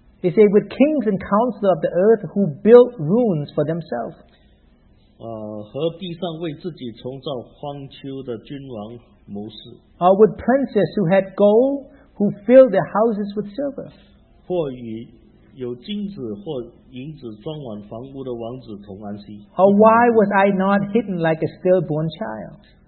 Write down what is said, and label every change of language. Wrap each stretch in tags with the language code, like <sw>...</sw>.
<en>He said, with kings and counselors of the earth who built ruins for themselves.</en> <zh>和地上为自己重造荒丘的君王谋事。</zh> <en>Or with princes who had gold, who filled their houses with silver.</en> <zh>或与有金子或银子装满房屋的王子同安息。</zh> <en>Or why was I not hidden like a stillborn child?</en>